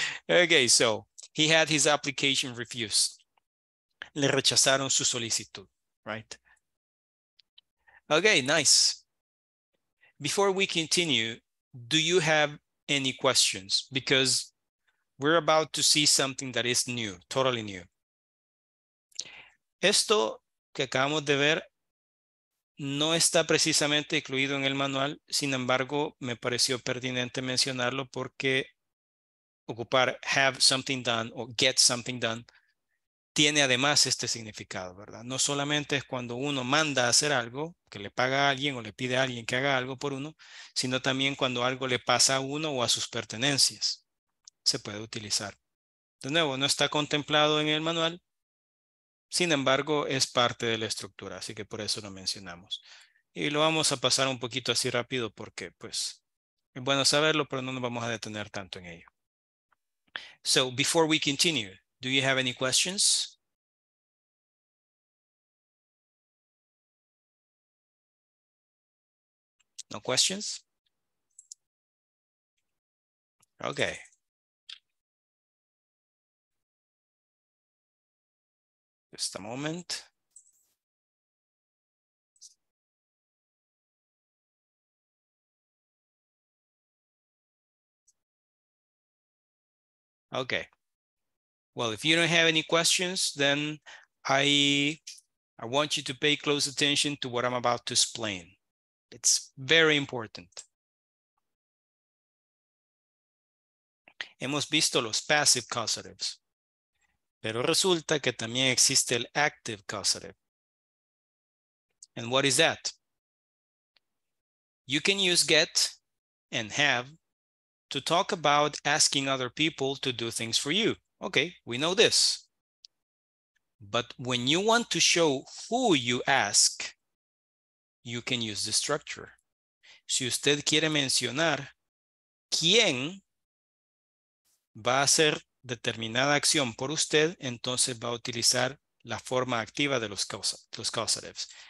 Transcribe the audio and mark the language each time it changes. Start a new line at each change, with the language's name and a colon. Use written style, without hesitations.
English: Okay, so he had his application refused.
Spanish: Le rechazaron su solicitud,
English: right? Okay, nice. Before we continue, do you have any questions? Because we're about to see something that is new, totally new.
Spanish: Esto que acabamos de ver no está precisamente incluido en el manual, sin embargo, me pareció pertinente mencionarlo porque ocupar
English: have something done
Spanish: o
English: get something done
Spanish: tiene además este significado, ¿verdad? No solamente es cuando uno manda a hacer algo, que le paga a alguien o le pide a alguien que haga algo por uno, sino también cuando algo le pasa a uno o a sus pertenencias. Se puede utilizar. De nuevo, no está contemplado en el manual. Sin embargo, es parte de la estructura, así que por eso lo mencionamos. Y lo vamos a pasar un poquito así rápido porque, pues, es bueno saberlo, pero no nos vamos a detener tanto en ello.
English: So, before we continue, do you have any questions? No questions? Okay. Just a moment. Okay. Well, if you don't have any questions, then I want you to pay close attention to what I'm about to explain. It's very important.
Spanish: Hemos visto los passive causatives. Pero resulta que también existe el active causative.
English: And what is that? You can use get and have to talk about asking other people to do things for you. Okay, we know this. But when you want to show who you ask, you can use the structure.
Spanish: Si usted quiere mencionar quién va a ser determinada acción por usted, entonces va a utilizar la forma activa de los causatives.